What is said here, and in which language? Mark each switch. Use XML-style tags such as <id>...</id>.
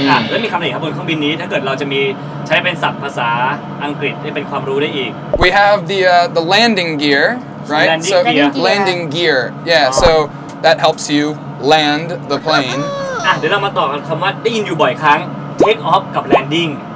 <th>แล้วมีคำไหนครับบนเครื่องบินนี้ถ้าเกิดเราจะมีใช้เป็นศัพท์ภาษาอังกฤษให้เป็นความรู้ได้อีก</th> <en>we have the landing gear right so landing gear yeah so that helps you land the plane</en> <th>เดี๋ยวเรามาต่อกันคำว่าได้ยินอยู่บ่อยครั้ง take off กับ landing</th>